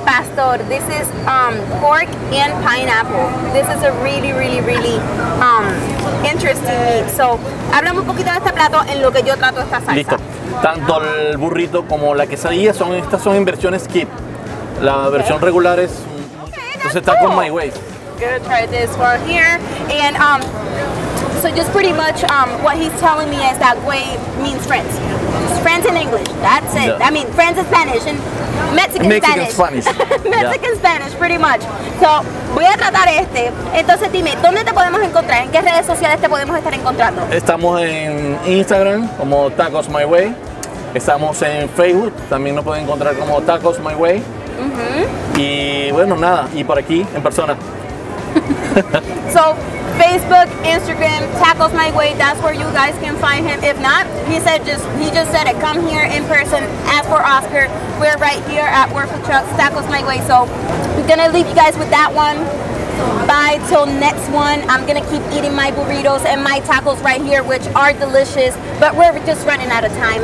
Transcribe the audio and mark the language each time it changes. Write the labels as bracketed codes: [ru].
[en] Pastor, this is pork and pineapple. This is a really, really, really interesting meat. So, [es] hablamos un poquito de este plato en lo que yo trato esta salsa. Listo. Tanto el burrito como la quesadilla, estas son inversiones kit. La versión regular es... [en] Okay, [es] entonces está con My Way. [en] Gonna try this one here. And so just pretty much what he's telling me is that güey means friends. Friends in English, that's it. Yeah. I mean, friends in Spanish and Mexican Spanish. Mexican Spanish, pretty much. So, [es] voy a tratar este. Entonces dime, ¿dónde te podemos encontrar? ¿En qué redes sociales te podemos estar encontrando? Estamos en Instagram como Tacos My Way. Estamos en Facebook, también nos pueden encontrar como Tacos My Way. Uh-huh. Y bueno, nada, y por aquí, en persona. [en] So, Facebook, Instagram, Tacos My Way, that's where you guys can find him. If not, he just said it, come here in person, ask for Oscar. We're right here at Worth of Trucks, Tacos My Way. So, I'm gonna leave you guys with that one. Bye till next one. I'm gonna keep eating my burritos and my tacos right here, which are delicious, but we're just running out of time.